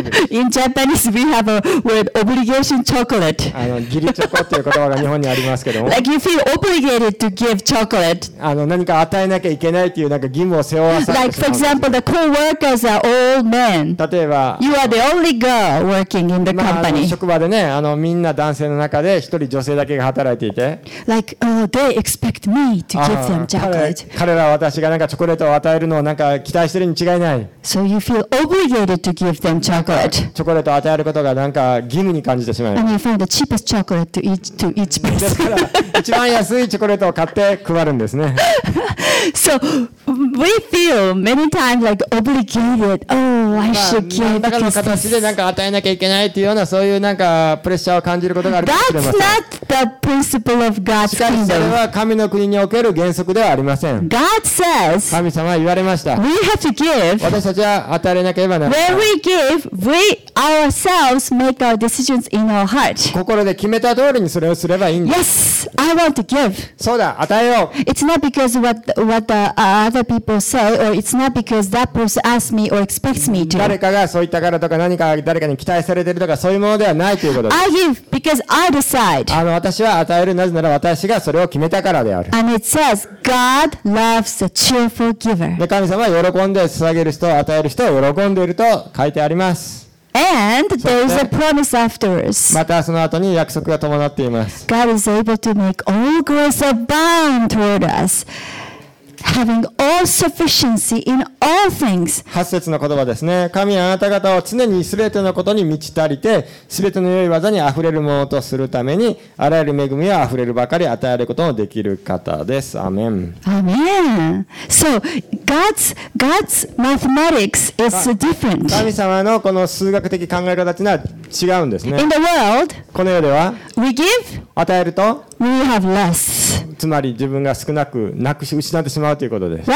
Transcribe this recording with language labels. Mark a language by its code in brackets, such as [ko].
[en] In Japanese we have a word obligation chocolate. [ja] あのギリチョコっていう言葉が日本にありますけども。 [en] Like you feel obligated to give chocolate. [ja] あの何か与えなきゃいけないっていうなんか義務を背負わされてしまう。 [en] Like for example, the co-workers are all men. [ja] 例えば、 [en] You are the only girl working in the company. [ja] まあ、あの職場でね、あのみんな男性の中で一人女性だけが働いていて、 [en] like, they expect me to give them chocolate. [ja] 彼らは私がなんかチョコレートを与えるのをなんか期待してるに違いない。 [en] So you feel obligated to give them chocolate. [ja] チョコレートを与えることがなんか義務に感じてしまう。 [en] And you find the cheapest chocolate to each person. [ja] ですから、一番安いチョコレートを買って配るんですね。 [en] So we feel many times like obligated. Oh, I should give. [ja] なんかの形でなんか与えなきゃいけないっていうようなそういうなんかプレッシャーを感じることがあるかもしれません。 [en] That's not the principle of God's kingdom. [ja] しかしそれは神の国における原則ではありません。 [en] God says. [ja] 神様は言われました。 [en] We have to give. [ja] 私たちは与えなければならない。 [en] When we give, we ourselves make our decisions in our heart. [ja] 心で決めた通りにそれをすればいいんだ。 [en] Yes, I want to give. [ja] そうだ、与えよう。 [en] It's not because what the other people say, or it's not because that person asks me or expects me to. [ja] 誰かがそう言ったからとか、何か誰かに期待されてるとか、そういうものではないということです。 [en] I give because I decide. [ja] 私は与える、なぜなら私がそれを決めたからである。 [en] And it says, God loves a cheerful giver. [ja] 神様は喜んで捧げる人、与える人を喜んでいると書いてあります。 [en] And there is a promise afterwards. [ja] またその後に約束が伴っています。 [en] God is able to make all grace abound toward us, having all sufficiency in all things. [ja] 8節の言葉ですね。神はあなた方を常にすべてのことに満ち足りて、すべての良い技にあふれるものとするために、あらゆる恵みはあふれるばかり与えることのできる方です。アメン。アメン。 [en] So God's mathematics is different. [ja] 神様のこの数学的考え方というのは違うんですね。 [en] In the world, [ja] この世では [en] we give, [ja] 与えると [en] we have less. [ja] つまり自分が少なく、なくし、失ってしまうということです。